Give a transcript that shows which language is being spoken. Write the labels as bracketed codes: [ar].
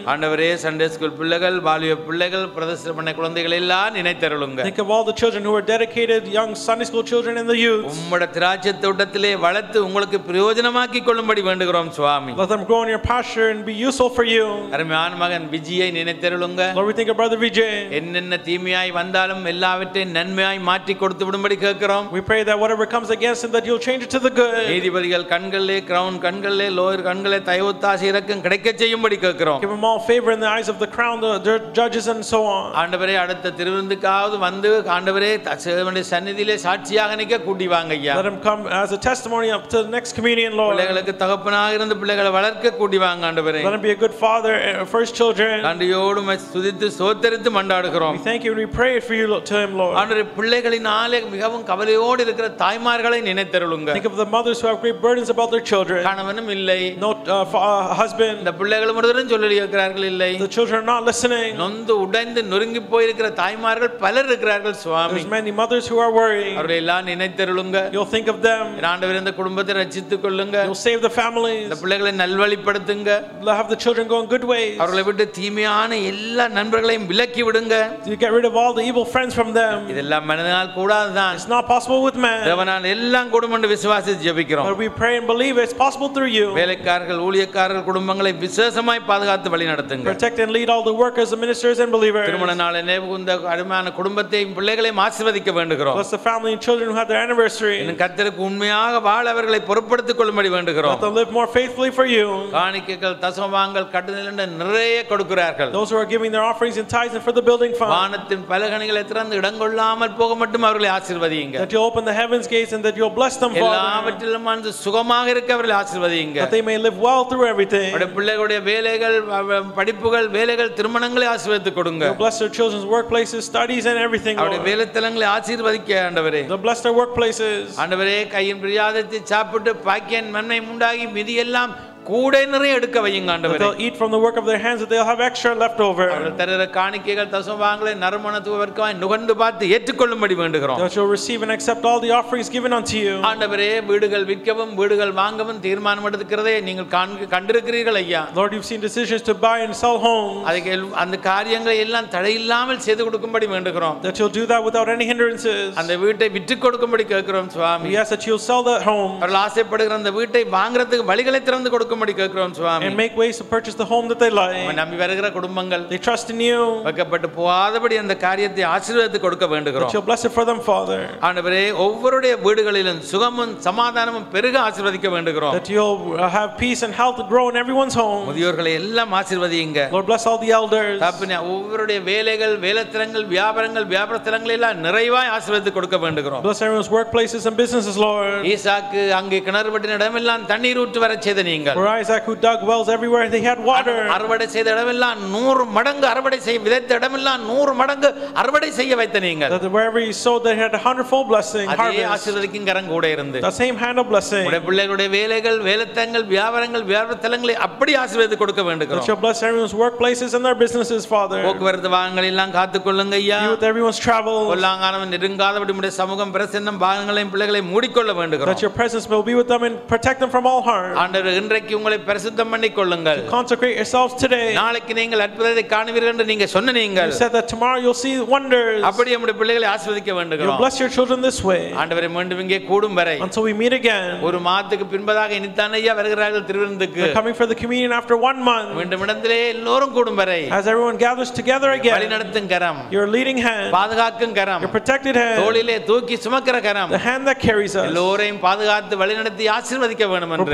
[ta] ஆண்டவரே Sunday school பிள்ளைகள், பாலிய பிள்ளைகள், பிரதஸ்தபண்ண குழந்தைகள் எல்லாம் நினைத்தருளுங்க. [en] Think of all the children who are dedicated, young Sunday school children and the youth. [ta] உம்முடைய திராட்சைத்தோட்டத்திலே வளர்த்து உங்களுக்கு பிரயோஜனமாக்கிக் கொள்ளும்படி வேண்டுகிறோம் சுவாமி. [en] Let them grow in your pasture and be useful for you. [ta] அருமையான மகன் விஜயை நினைத்தருளுங்க. [en] Lord, we think of brother Vijay. [ta] என்னென்ன தீமையாய் வந்தாலும் எல்லாவற்றை நன்மையாய் மாற்றி கொடுத்து விடும்படி கேட்கிறோம். [en] We pray that whatever comes against him that you'll change it to the good. [ta] நீதிபதிகள் கண்களிலே, crown கண்களிலே, lawyer கண்களிலே தயவுத்தாசை இறக்கம் கிடைக்க செய்யும்படி கேட்கிறோம். [en] Give him all favor in the eyes of the crown, the judges and so on. [ta] ஆண்டவரே அடுத்த திருவிருந்துக்காவது வந்து ஆண்டவரே தச்சேவனுடைய சந்நிதியிலே சாட்சியாக நிக்க கூடி வாங்க ஐயா. [en] Let him come as a testimony up to the next communion, Lord. [ta] பிள்ளைகளுக்கு தகப்பனாக இருந்து பிள்ளைகளை வளர்க்க கூடி வாங்க ஆண்டவரே. [en] Let him be a good father for his children. [ta] ஆண்டியோடு ஸ்துதித்து சோதரித்து மண்டாடுகிறோம். [en] We thank you and we pray for you to him, Lord. [ta] ஆண்டவரே பிள்ளைகளினாலே மிகவும் கவலையோடு இருக்கிற தாய்மார்களை நினைத்தருளுங்க. [en] Think of the mothers who have great burdens about their children. [ta] கணவனும் இல்லை. [en] No husband. [ta] இந்த பிள்ளைகளும் ஒருதரம் சொல்லி இருக்கிறார்கள் இல்லை. [en] The children are not listening. [ta] நொந்து உடைந்து நொறுங்கி போயிருக்கிற தாய்மார்கள் பலர் இருக்கிறார்கள் சுவாமி. [en] There's many mothers who are worrying. [ta] அவர்களை எல்லாம் நினைத்தருளுங்க. [en] You'll think of them. [ta] ஆண்டவரே இந்த குடும்பத்தை ரட்சித்துக் கொள்ளுங்க. [en] You'll save the families. [ta] இந்த பிள்ளைகளை நல்வழிப்படுத்துங்க. [en] Have the children go in good ways. [ta] அவர்களை விட்டு தீமையான எல்லா நண்பர்களையும் விலக்கி விடுங்க. [en] You get rid of all the evil friends from them. [ta] இதெல்லாம் மனிதனால் கூடாதுதான். [en] It's not possible with man. [ta] தேவனால் எல்லாம் கூடும்னு விசுவாசித்து ஜெபிக்கிறோம். [en] But we pray and believe it's possible through you. [ta] வேலைக்காரர்கள், ஊழியக்காரர்கள் குடும்பங்களை விசேஷமாய் பாதுகாத்து வழிநடத்துங்க. [en] Protect and lead all the workers, the ministers and believers. [ta] திருமண நாளை நினைவுகூர்ந்த அருமையான குடும்பத்தையும் பிள்ளைகளையும் ஆசீர்வதிக்க வேண்டுகிறோம். [en] Bless the family and children who have their anniversary. [ta] கர்த்தருக்கு உண்மையாக வாழ அவர்களை பொறுப்படுத்திக் கொள்ளும்படி வேண்டுகிறோம். [en] Let them live more faithfully for you. [ta] காணிக்கைகள் தசமபாகங்கள் கட்டுதலுக்கு நிறைய கொடுக்கிறார்கள். [en] Those who are giving their offerings and tithes and for the building fund. [ta] வானத்தின் பலகணிகளை திறந்து இடங்கொள்ளாமல் போக மட்டும் அவர்களை ஆசீர்வதியுங்க. [en] That you open the heavens gates and that you bless them for. [ta] எல்லாவற்றிலும் மனது சுகமாக இருக்க அவர்களை ஆசீர்வதியுங்க. [en] That they may live well through everything. [ta] அவருடைய பிள்ளைகளுடைய வேலைகள், படிப்புகள், வேலைகள், திருமணங்களை ஆசீர்வதித்து கொடுங்க. [en] You bless their children's workplaces, studies and everything. [ta] அவருடைய வேலைத்தலங்களை ஆசீர்வதிக்க ஆண்டவரே. [en] The bless their workplaces. [ta] ஆண்டவரே கையின் பிரியாதத்தை சாப்பிட்டு பாக்கியம் நன்மை உண்டாகி மீதி எல்லாம் கூடை நிறைய எடுக்க வையுங்க ஆண்டவரே. [en] They'll eat from the work of their hands that they'll have extra left over. [ta] தரர காணிக்கைகள் தசமபாகங்களை நறுமணத்துவர்க்கமாய் நுகர்ந்து பார்த்து ஏற்றுக்கொள்ளும்படி வேண்டுகிறோம். [en] They shall receive and accept all the offerings given unto you. [ta] ஆண்டவரே வீடுகள் விற்கவும் வீடுகள் வாங்கவும் தீர்மானம் எடுக்கிறதே நீங்கள் கண்டிருக்கிறீர்கள் ஐயா. [en] Lord, you've seen decisions to buy and sell homes. [ta] அதுக்கு அந்த காரியங்களை எல்லாம் தடையில்லாமல் செய்து கொடுக்கும்படி வேண்டுகிறோம். [en] That you'll do that without any hindrances. [ta] அந்த வீட்டை விற்று கொடுக்கும்படி கேட்கிறோம் சுவாமி. [en] Yes, that you'll sell that home. [ta] அவர்கள் ஆசைப்படுகிற அந்த வீட்டை வாங்குறதுக்கு வழிகளை திறந்து கொடுக்கும்படி கேட்கிறோம் சுவாமி. [en] And make ways to purchase the home that they like. [ta] நம்பி வருகிற குடும்பங்கள் [en] they trust in you. [ta] வைக்கப்பட்டு போகாதபடி அந்த காரியத்தை ஆசீர்வதித்து கொடுக்க வேண்டுகிறோம். [en] That you bless it for them, Father. [ta] ஆண்டவரே ஒவ்வொருடைய வீடுகளிலும் சுகமும் சமாதானமும் பெருக ஆசீர்வதிக்க வேண்டுகிறோம். [en] That you have peace and health grow in everyone's home. [ta] முதியோர்களை எல்லாம் ஆசீர்வதியுங்க. [en] Lord, bless all the elders. [ta] தப்பினா ஒவ்வொருடைய வேலைகள், வேலைத்தலங்கள், வியாபாரங்கள், வியாபார தலங்கள் எல்லாம் நிறைவாய் ஆசீர்வதித்து கொடுக்க வேண்டுகிறோம். [en] Bless everyone's workplaces and businesses, Lord. [ta] ஈசாக்கு அங்கே கிணறு பட்ட இடமெல்லாம் தண்ணீர் ஊற்று வர செய்த [en] For Isaac who dug wells everywhere they had water. [ta] அறுவடை செய்த இடமெல்லாம் 100 மடங்கு அறுவடை செய்ய விதைத்த இடமெல்லாம் 100 மடங்கு அறுவடை செய்ய வைத்த நீங்கள். [en] That wherever he sowed they had a hundredfold blessing. [ta] அதே ஆசீர்வதிக்கும் கரம் கூட இருந்து. [en] The same hand of blessing. [ta] உடைய பிள்ளைகளுடைய வேலைகள், வேலைத்தலங்கள், வியாபாரங்கள், வியாபார தலங்களை அப்படி ஆசீர்வதித்து கொடுக்க வேண்டுகிறோம். [en] That you bless everyone's workplaces and their businesses, Father. [ta] போக்குவரத்து வாகனங்கள் எல்லாம் காத்துக் கொள்ளுங்க ஐயா. [en] You with everyone's travel. [ta] பொல்லாங்கானம் நெருங்காதபடி உடைய சமூகம் பிரசன்னம் வாகனங்களையும் பிள்ளைகளை மூடிக்கொள்ள வேண்டுகிறோம். [en] That your presence will be with them and protect them from all harm. [ta] இன்றைக்கு உங்களை பரிசுத்தம் பண்ணிக்கொள்ளுங்கள். [en] Consecrate yourselves today. [ta] நாளைக்கு நீங்கள் அற்புதத்தை காண்பீர்கள் என்று நீங்க சொன்னீங்கள். [en] You said that tomorrow you'll see wonders. [ta] அப்படி நம்முடைய பிள்ளைகளை ஆசீர்வதிக்க வேண்டுகிறோம். [en] You bless your children this way. [ta] ஆண்டவரே மீண்டும் இங்கே கூடும் வரை. [en] Until we meet again. [ta] ஒரு மாதத்துக்கு பின்பதாக இனித்தானையா வருகிறார்கள் திருவிருந்துக்கு. [en] They're coming for the communion after 1 month. [ta] மீண்டும் இடத்திலே எல்லோரும் கூடும் வரை. [en] As everyone gathers together again. [ta] வழிநடத்தும் கரம். [en] Your leading hand. [ta] பாதுகாக்கும் கரம். [en] Your protected hand. [ta] தோளிலே தூக்கி சுமக்கிற கரம். [en] The hand that carries us. [ta] எல்லோரையும் பாதுகாத்து வழிநடத்தி ஆசீர்வதிக்க வேண்டும் என்று.